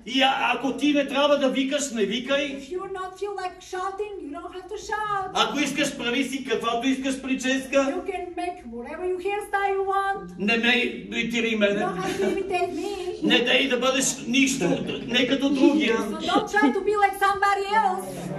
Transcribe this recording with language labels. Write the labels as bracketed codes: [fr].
[bg] И ако ти не трябва да викаш, не викай. [en] If you not feel like shouting, you don't have to shout. [bg] Ако искаш, прави си каквато искаш прическа. [en] You can make whatever your hairstyle you want. [bg] Не ме имитирай мене. [en] You don't have to imitate me. [bg] Не дай да бъдеш нищо, не като другия. [en] So don't try to be like somebody else.